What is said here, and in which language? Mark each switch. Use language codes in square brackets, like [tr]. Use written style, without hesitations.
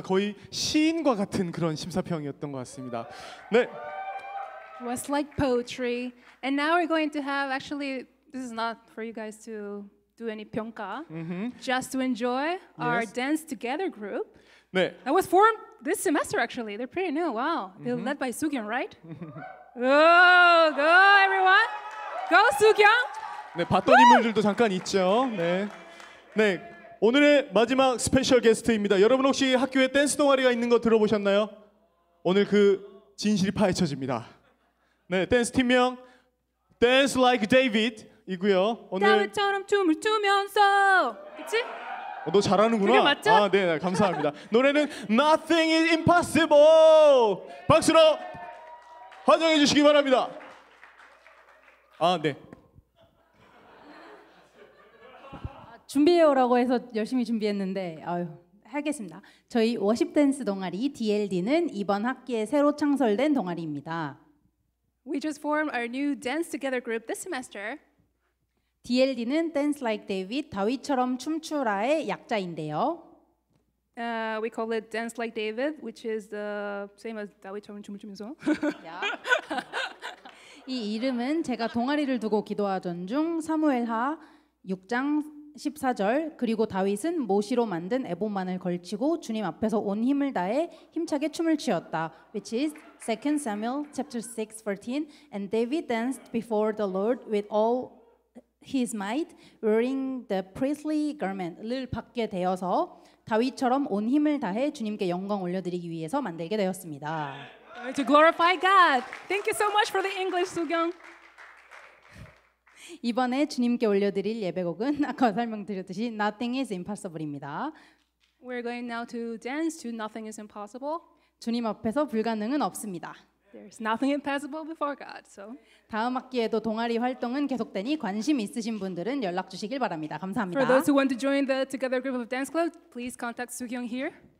[ko] 거의 시인과 같은 그런 심사평이었던 것 같습니다. 네. [en] It was like poetry. And now we're going to have, actually, this is not for you guys to... do any 평가, just to enjoy our yes. dance together group. [ko] 네. [en] That was formed this semester, actually. They're pretty new, wow. They're led by Sugyeong, right? go, everyone! Go, Sugyeong! [ko] 네, 봤던 인물들도 잠깐 있죠. 네. 네, 오늘의 마지막 스페셜 게스트입니다. 여러분 혹시 학교에 댄스 동아리가 있는 거 들어보셨나요? 오늘 그 진실이 파헤쳐집니다. 네, 댄스 팀명 Dance Like David이고요. 오늘 다음처럼 춤을 추면서, 그치? 어, 너 잘하는구나. 그게 맞죠? 아, 네, 감사합니다. 노래는 Nothing is Impossible. 박수로 환영해 주시기 바랍니다. 아, 네. 준비해오라고 해서 열심히 준비했는데 아유, 하겠습니다. 저희 워십 댄스 동아리 DLD는 이번 학기에 새로 창설된 동아리입니다. [en] We just formed our new dance together group this semester. [ko] DLD는 Dance Like David, 다윗처럼 춤추라의 약자인데요. [en] We call it Dance Like David, which is the same as [ko] 다윗처럼 춤을 추면서. 이 이름은 제가 동아리를 두고 기도하던 중 사무엘하 6장 14절 그리고 다윗은 모시로 만든 에봇만을 걸치고 주님 앞에서 온 힘을 다해 힘차게 춤을 추었다. [en] Which is 2 Samuel chapter 6 14 and David danced before the Lord with all his might wearing the priestly garment [ko] 를 받게 되어서 다윗처럼 온 힘을 다해 주님께 영광 올려드리기 위해서 만들게 되었습니다. [en] To glorify God. Thank you so much for the English, 수경. [ko] 이번에 주님께 올려드릴 예배곡은 아까 설명드렸듯이 Nothing is Impossible입니다. [en] We're going now to dance to Nothing is Impossible. [ko] 주님 앞에서 불가능은 없습니다. [en] There's nothing impossible before God. So. [ko] 다음 학기에도 동아리 활동은 계속되니 관심 있으신 분들은 연락 주시길 바랍니다. 감사합니다. [en] For those who want to join the together group of dance club, please contact Sukyung here.